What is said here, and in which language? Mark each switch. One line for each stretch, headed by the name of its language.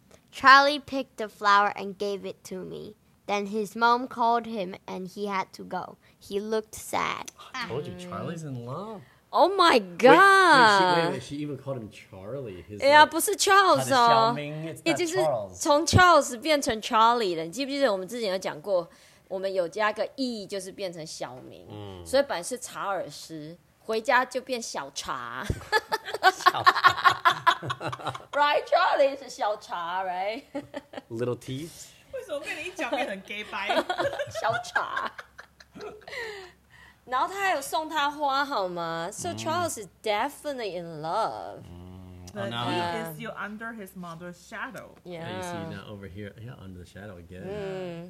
English: Charlie picked the flower and gave it to me. Then his mom called him and he had to go. He looked sad. I told you, Charlie's in love. Oh my god! Wait, she even called him Charlie. Charles. It's not Charles.
Chinese: Charles 变成 Charlie 了。你记不记得我们之前有讲过，我们有加个 E 就是变成小名，所以本来是查尔斯，回家就变小茶。Right, Charlie 是小茶 ，right?
English: Little tea.
Chinese: 为什么跟你一讲变成 gay bye? 小茶。然后他还有送他花好吗?
English: So Charles is definitely in love. But he is still under his mother's shadow. Yeah. And you see now over here, under the shadow again.